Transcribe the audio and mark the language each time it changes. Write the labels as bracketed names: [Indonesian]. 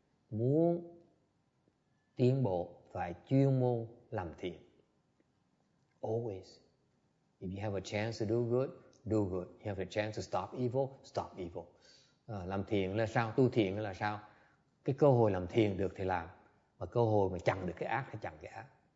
[Vietnamese] Muốn tiến bộ phải chuyên môn làm thiện. [English] Always. If you have a chance to do good, do good. If you have a chance to stop evil, stop evil. [Vietnamese] Làm thiện là sao? Tu thiện là sao? Cái cơ hội làm thiện được thì làm. Và cơ hội mà chặn được cái ác thì chặn cái ác.